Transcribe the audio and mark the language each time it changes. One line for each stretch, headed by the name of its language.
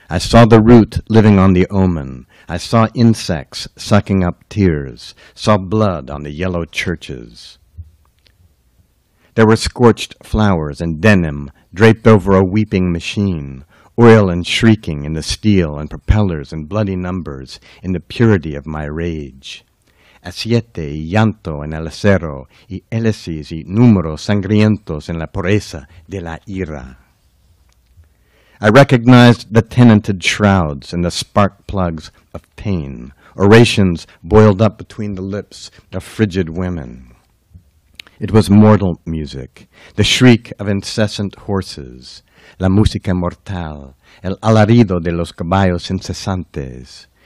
English: I saw the root living on the omen. I saw insects sucking up tears. Saw blood on the yellow churches. There were scorched flowers and denim draped over a weeping machine. Oil and shrieking in the steel and propellers and bloody numbers in the purity of my rage.
Spanish: A siete y llanto en el acero y hélices y números sangrientos en la pureza de la ira.
English: I recognized the tenanted shrouds and the spark plugs of pain, orations boiled up between the lips of frigid women. It was mortal music, the shriek of incessant horses,
Spanish: la música mortal, el alarido de los caballos incesantes.